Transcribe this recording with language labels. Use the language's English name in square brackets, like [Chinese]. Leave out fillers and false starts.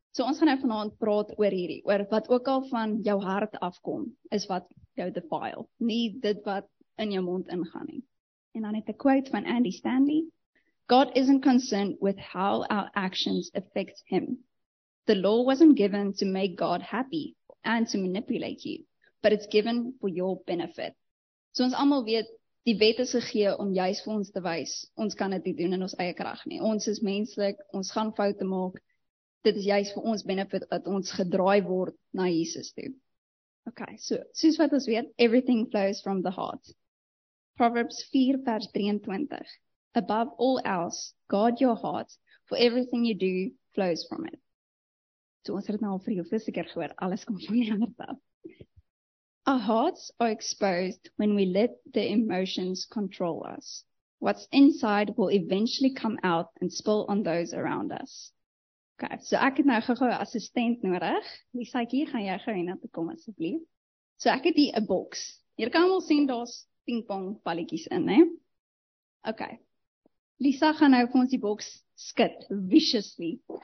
[Afrikaans] So ons gaan nou vanaand praat oor hierdie, oor wat ook al van jou hart afkom, is wat jou defile, nie dit wat in jou mond ingaan nie. En dan het 'n quote van Andy Stanley: [English] "God isn't concerned with how our actions affect him. The law wasn't given to make God happy and to manipulate you, but it's given for your benefit." [Afrikaans] So ons almal weet, die wet is gegee om juist vir ons te wys, ons kan dit nie doen in ons eie krag nie. Ons is menslik, ons gaan foute maak. Dit is juist vir ons benefit dat ons gedraai word na Jesus toe. Okay, so soos wat ons weet, [English] everything flows from the heart. Proverbs 4 vers 23: "Above all else, guard your heart, for everything you do flows from it." [Afrikaans] So ons het nou al vir jou vis keer gehoor, alles kom van jou hart af. [English] Our hearts are exposed when we let the emotions control us. What's inside will eventually come out and spill on those around us. [Afrikaans] Okay, so ek het nou gou-gou 'n assistent nodig. Liesaitjie, gaan jy gou hierna toe kom asseblief? So ek het hier 'n boks. Hier kan ons sien daar's pingpong balletjies in, hè? Okay. Lisa gaan nou vir ons die boks skud viciously.